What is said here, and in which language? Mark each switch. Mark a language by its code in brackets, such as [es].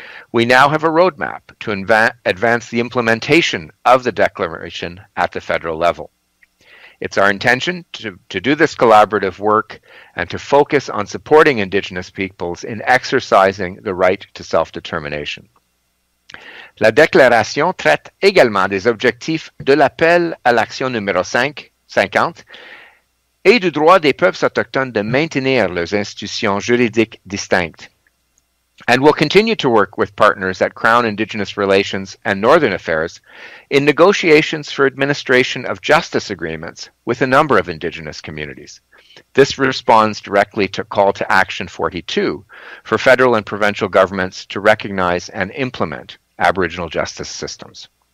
[en] We now have a roadmap to advance the implementation of the declaration at the federal level. It's our intention to do this collaborative work and to focus on supporting Indigenous peoples in exercising the right to self-determination. [fr] La déclaration traite également des objectifs de l'appel à l'action numéro 50 et du droit des peuples autochtones de maintenir leurs institutions juridiques distinctes. [en] And we'll continue to work with partners at Crown Indigenous Relations and Northern Affairs in negotiations for administration of justice agreements with a number of Indigenous communities. This responds directly to Call to Action 42 for federal and provincial governments to recognize and implement Aboriginal justice systems.